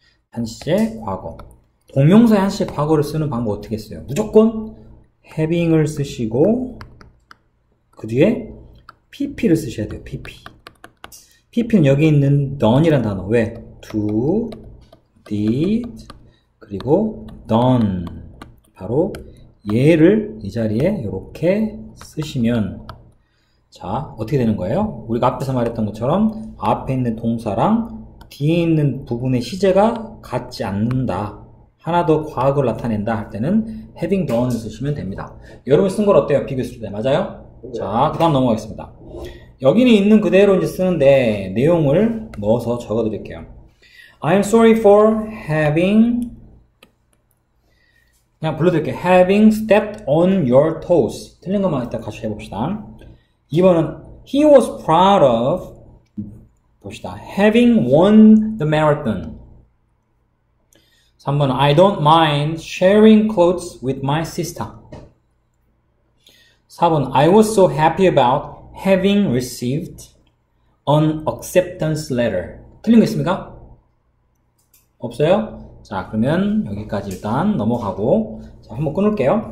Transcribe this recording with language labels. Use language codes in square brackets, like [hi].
[ko] 한 시제 과거. 동명사에 한 시제 과거를 쓰는 방법 어떻게 써요? 무조건 having을 쓰시고, 그 뒤에 PP를 쓰셔야 돼요. PP. PP는 여기 있는 done이란 단어. 왜? do, did, 그리고 done. 바로 얘를 이 자리에 이렇게 쓰시면, 자, 어떻게 되는 거예요? 우리가 앞에서 말했던 것처럼 앞에 있는 동사랑 뒤에 있는 부분의 시제가 같지 않는다. 하나 더 과거를 나타낸다 할 때는 having done을 쓰시면 됩니다. 여러분 쓴걸 어때요? 비교했을 때. 맞아요? 자, 그 다음 넘어가겠습니다. 여기는 있는 그대로 이제 쓰는데, 내용을 넣어서 적어 드릴게요. [en] I'm sorry for having, [ko] 그냥 불러 드릴게요. [en] Having stepped on your toes. [ko] 틀린 것만 이따 같이 해봅시다. 2번은, [en] he was proud of, [ko] 봅시다. [en] Having won the marathon. [ko] 3번은, [en] I don't mind sharing clothes with my sister. [ko] 4번, [en] I was so happy about having received an acceptance letter. [ko] 틀린 거 있습니까? 없어요? 자, 그러면 여기까지 일단 넘어가고, 자, 한번 끊을게요.